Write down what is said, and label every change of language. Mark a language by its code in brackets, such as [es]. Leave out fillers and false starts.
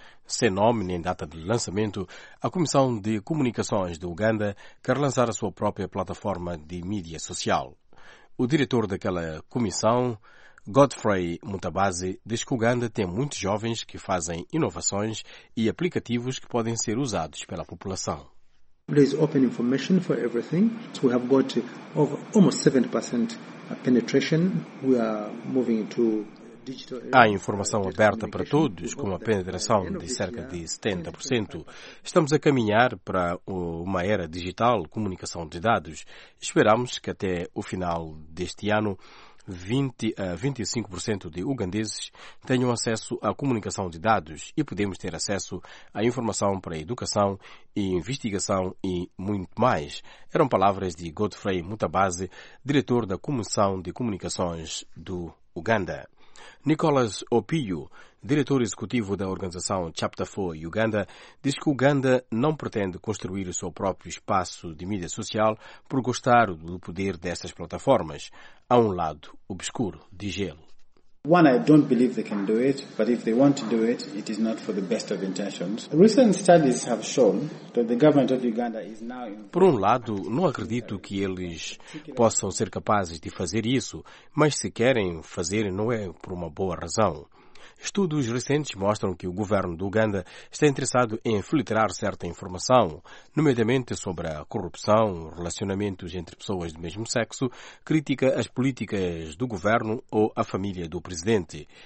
[pt] Sem nome nem data de lançamento, a Comissão de Comunicações de Uganda quer lançar a sua própria plataforma de mídia social. O diretor daquela comissão, Godfrey Mutabazi, diz que Uganda tem muitos jovens que fazem inovações e aplicativos que podem ser usados pela população. [en] There is open information for everything. So we have got over almost 70% penetration. We are moving to. [pt] Há informação aberta para todos, com uma penetração de cerca de 70%. Estamos a caminhar para uma era digital, comunicação de dados. Esperamos que até o final deste ano, 20 a 25% de ugandeses tenham acesso à comunicação de dados e podemos ter acesso à informação para a educação e investigação e muito mais. Eram palavras de Godfrey Mutabazi, diretor da Comissão de Comunicações do Uganda. Nicholas Opiyo, diretor executivo da organização Chapter 4 Uganda, diz que Uganda não pretende construir o seu próprio espaço de mídia social por gostar do poder destas plataformas. Há um lado obscuro, diz ele. [en] One, I don't believe they can do it, but if they want to do it, it is not for the best of intentions. Recent studies have shown that the government of Uganda is now. [pt] Por um lado, não acredito que eles possam ser capazes de fazer isso, mas se querem fazer, não é por uma boa razão. Estudos recentes mostram que o governo do Uganda está interessado em filtrar certa informação, nomeadamente sobre a corrupção, relacionamentos entre pessoas do mesmo sexo, crítica às políticas do governo ou à família do presidente.